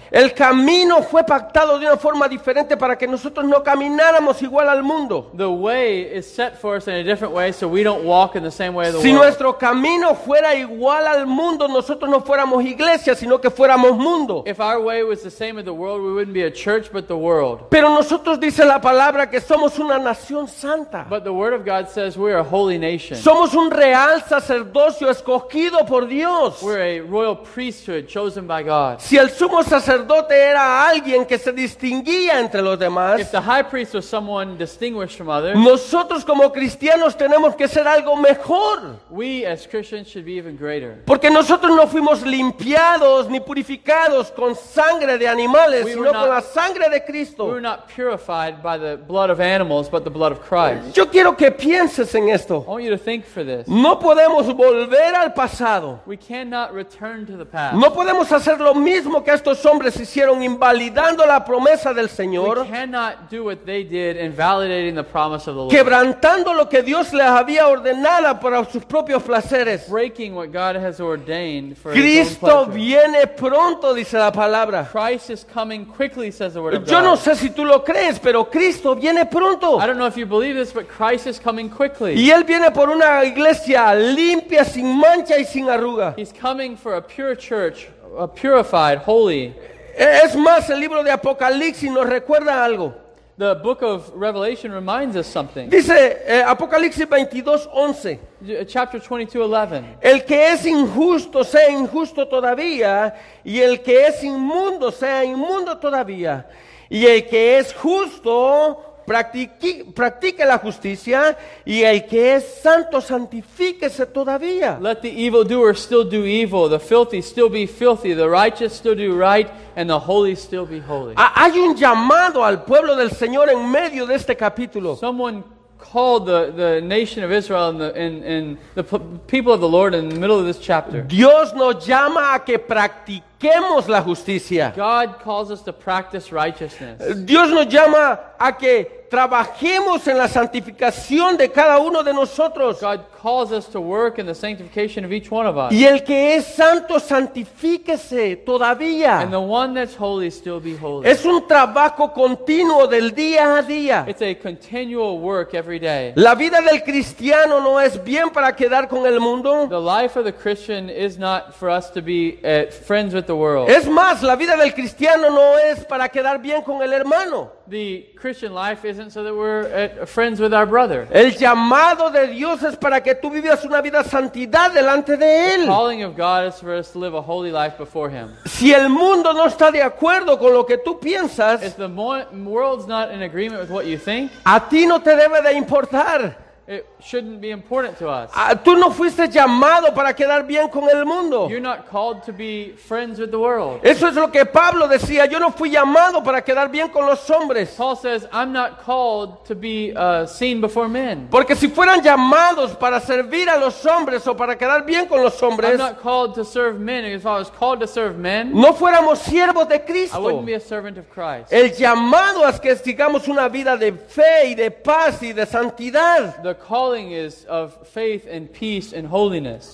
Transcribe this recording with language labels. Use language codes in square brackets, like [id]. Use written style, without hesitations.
[es] El camino fue pactado de una forma diferente para que nosotros no camináramos igual al mundo. [en] The way is set for us in a different way so we don't walk in the same way of the world. [es] Si nuestro camino fuera igual al mundo, nosotros no fuéramos iglesia, sino que fuéramos mundo. [en] If our way was the same as the world, we wouldn't be a church, but the world. [es] Pero nosotros dice la palabra que somos una nación santa. [en] But the word of God says we are a holy nation. [es] Somos un real sacerdocio escogido por Dios. [en] We're a royal priesthood chosen by God. [es] Si el sumo sacerdote era alguien que se distinguía entre los demás, [en] if the high priest was someone distinguished from others, [es] nosotros como cristianos tenemos que ser algo mejor. [en] We as Christians should be even greater. [es] Porque nosotros no fuimos limpiados ni purificados con sangre de animales, sino con la sangre de Cristo. [en] We were not purified by the blood of animals, but the blood of Christ. [es] Yo quiero que pienses en esto. [en] I want you to think for this. [es] No podemos volver al pasado. [en] We cannot return to the past. [es] No podemos hacer lo mismo que estos hombres hicieron invalidando la promesa del Señor. [en] We cannot do what they did invalidating the promise of the Lord. [es] Quebrantando lo que Dios les había ordenado para sus propios placeres. [en] Breaking what God has ordained for [es] Cristo [en] his own pleasure. [es] Cristo viene pronto, dice la palabra. [en] Christ is coming quickly, says the word of God. [es] Yo no sé si tú lo crees, pero Cristo viene pronto. [en] I don't know if you believe this, but Christ is coming quickly. [es] Y él viene por una iglesia limpia, sin mancha y sin arruga. [en] He's coming for a pure church, a purified, holy. [es] Es más, el libro de Apocalipsis nos recuerda algo. [en] The book of Revelation reminds us something. [es] Dice Apocalipsis 22:11. [en] Chapter 22:11. [es] El que es injusto sea injusto todavía, y el que es inmundo sea inmundo todavía, y el que es justo practique la justicia, y el que es santo santifíquese todavía. [en] Let the evildoer still do evil, the filthy still be filthy, the righteous still do right, and the holy still be holy. [es] Hay un llamado al pueblo del Señor en medio de este capítulo. [en] Someone called the nation of Israel and the people of the Lord in the middle of this chapter. [es] Dios nos llama a que practiquemos la justicia. [en] God calls us to practice righteousness. [es] Dios nos llama a que trabajemos en la santificación de cada uno de nosotros. [en] God calls us to work in the sanctification of each one of us. [es] Y el que es santo, santifíquese todavía. [en] And the one that's holy, still be holy. [es] Es un trabajo continuo del día a día. [en] It's a continual work every day. [es] La vida del cristiano no es bien para quedar con el mundo. [en] The life of the Christian is not for us to be friends with the world. [es] Es más, la vida del cristiano no es para quedar bien con el hermano. [en] The Christian life isn't so that we're friends with our brother. [es] El llamado de Dios es para que tú vivas una vida santidad delante de él. [en] The calling of God is for us to live a holy life before him. [es] Si el mundo no está de acuerdo con lo que tú piensas, [en] if the world's not in agreement with what you think, [es] a ti no te debe de importar. [en] It shouldn't be important to us. [es] Tú no fuiste llamado para quedar bien con el mundo. [en] You're not called to be friends with the world. [es] Eso es lo que Pablo decía. Yo no fui llamado para quedar bien con los hombres. [en] Paul says, I'm not called to be seen before men. [es] Porque si fueran llamados para servir a los hombres o para quedar bien con los hombres, [en] I'm not called to serve men. If I was called to serve men, [es] no fuéramos siervos de Cristo. [en] I wouldn't be a servant of Christ. [es] El llamado es que sigamos una vida de fe y de paz y de santidad. [en] The calling is of faith and peace and holiness.